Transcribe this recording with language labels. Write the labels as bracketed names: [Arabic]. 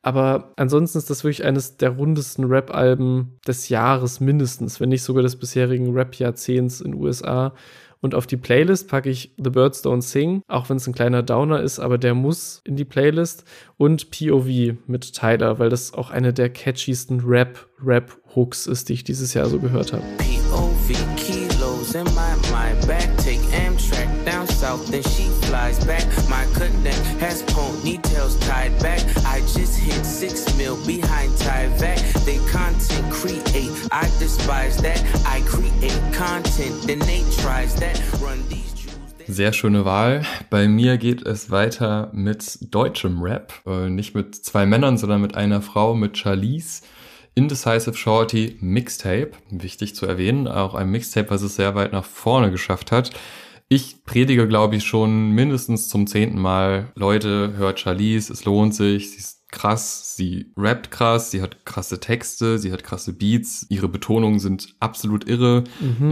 [German] Aber ansonsten ist das wirklich eines der rundesten Rap-Alben des Jahres mindestens, wenn nicht sogar des bisherigen Rap-Jahrzehnts in USA. Und auf die Playlist packe ich The Birds Don't Sing, auch wenn es ein kleiner Downer ist, aber der muss in die Playlist. Und POV mit Tyler, weil das auch eine der catchiesten Rap-Rap-Hooks ist, die ich dieses Jahr so gehört habe. [English] POV Kilos in my back, take Amtrak down south, then she flies back. My connect has ponytails tied back. I just hit 6 mil behind Tyvek. They content create, I despise that. I create content, then they tries that. Run these. [German] Sehr schöne Wahl. Bei mir geht es weiter mit deutschem Rap. Nicht mit zwei Männern, sondern mit einer Frau, mit Charlize. Indecisive Shorty Mixtape, wichtig zu erwähnen, auch ein Mixtape, was es sehr weit nach vorne geschafft hat. Ich predige, glaube ich, schon mindestens zum 10. Mal, Leute, hört Charlize, es lohnt sich, sie ist krass, sie rappt krass, sie hat krasse Texte, sie hat krasse Beats, ihre Betonungen sind absolut irre. Mhm.